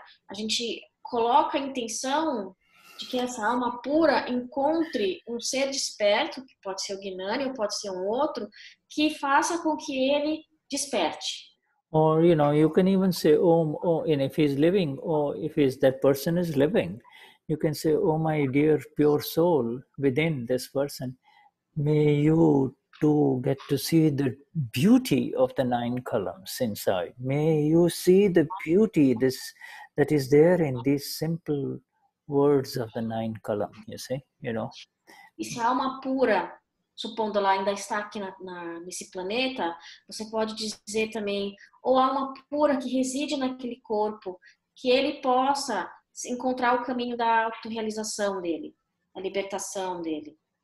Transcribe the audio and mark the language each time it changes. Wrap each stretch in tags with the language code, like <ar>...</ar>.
<pt>A gente coloca a intenção de que essa alma pura encontre ser desperto, que pode ser o Gnani ou pode ser outro, que faça com que ele desperte.</pt> <en>Or, you know, you can even say, and if he's living, or if he's, that person is living, you can say, oh my dear pure soul within this person, may you too get to see the beauty of the nine columns inside. May you see the beauty this that is there in this simple words of the nine column, you see, you know.</en> <pt>E se a alma pura supondo ela ainda está aqui nesse planeta, você pode dizer também, ou alma pura que reside naquele corpo, que ele possa encontrar o caminho da autorrealização dele, a libertação dele.</pt>